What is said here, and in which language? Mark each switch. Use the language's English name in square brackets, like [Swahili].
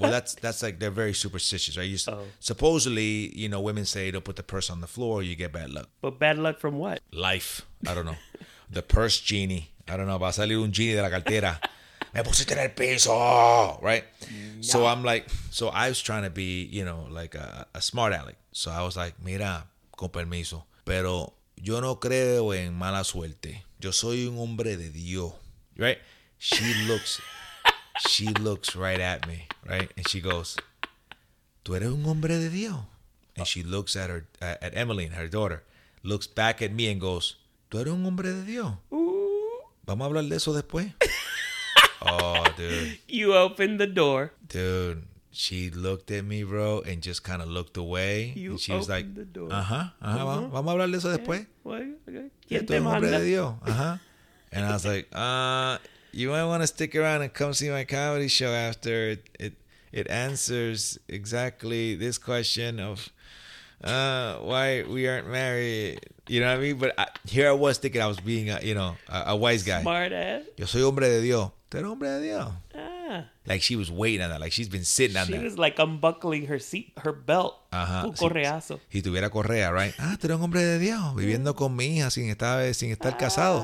[English] Well, that's like, they're very superstitious, right? You, supposedly, you know, women say don't put the purse on the floor, you get bad luck. But bad luck from what? Life. I don't know. The purse genie. I don't know. [Spanish] Va a salir un genie de la cartera. Me pusiste en el piso. [English] Right? Nah. So I'm like, so I was trying to be, you know, like a smart aleck. So I was like, [Spanish] mira, con permiso. Pero yo no creo en mala suerte. Yo soy un hombre de Dios. Right? She looks... [English] She looks right at me, right? And she goes, [Spanish] tú eres un hombre de Dios. [English] And she looks at her, at Emmeline, her daughter, looks back at me and goes, [Spanish] tú eres un hombre de Dios. Vamos a hablar de eso después. [English] Oh, dude. You opened the door. Dude, she looked at me, bro, and just kind of looked away. You and she opened was like, the door. Uh-huh. [Spanish] Vamos a hablar de eso después. [English] Okay. [Spanish] Tú eres un hombre de Dios. Uh-huh. [English] And I was like, you might want to stick around and come see my comedy show after it answers exactly this question of why we aren't married. You know what I mean? But here I was thinking I was being, a wise guy. Smart ass. [Spanish] Yo soy hombre de Dios. Tú eres hombre de Dios. Ah. [English] Like she was waiting on that. Like she's been sitting on she that. She was like unbuckling her seat, her belt. Uh-huh. [Spanish] Un correazo. Si tuviera correa, right? Ah, tú eres un hombre de Dios. Viviendo con mi hija sin estar casado.